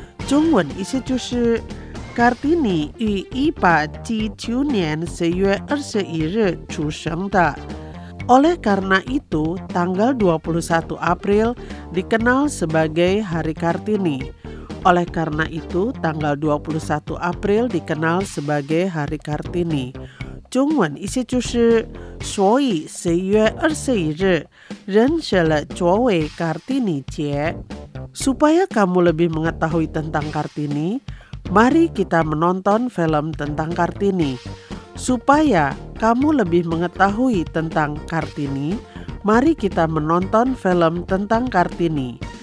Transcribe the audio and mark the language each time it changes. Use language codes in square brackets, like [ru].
[zh] 中文 意思就是 Kartini 1879年 4月 21日出生的。 [id] Oleh karena itu, tanggal 21 April dikenal sebagai Hari Kartini. Oleh karena itu, tanggal 21 April dikenal sebagai Hari Kartini. [zh] 中文意思就是 所以 4月21日 人设了作为 Kartini 节。 [id] Supaya kamu lebih mengetahui tentang Kartini, mari kita menonton film tentang Kartini. Supaya kamu lebih mengetahui tentang Kartini, mari kita menonton film tentang Kartini.